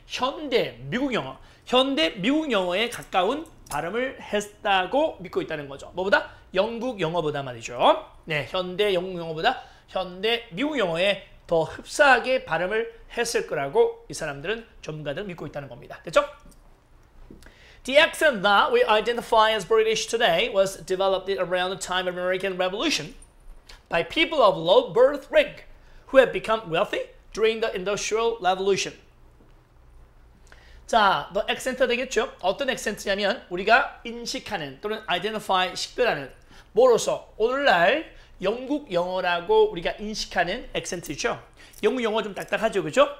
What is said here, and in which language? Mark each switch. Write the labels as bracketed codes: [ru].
[ko] 현대 미국 영어에 가까운 발음을 했다고 믿고 있다는 거죠. 뭐보다? 영국 영어보다 말이죠. 네, 현대 영국 영어보다 현대 미국 영어에 더 흡사하게 발음을 했을 거라고 이 사람들은 전문가들 믿고 있다는 겁니다. 됐죠? [en] The accent that we identify as British today was developed around the time of American Revolution by people of low birth rank who had become wealthy during the Industrial Revolution. [ko] 자, 너 액센트 되겠죠? 어떤 액센트냐면 우리가 인식하는 또는 identify, 식별하는 뭐로서 오늘날 영국 영어라고 우리가 인식하는 액센트죠. 영국 영어 좀 딱딱하죠, 그죠?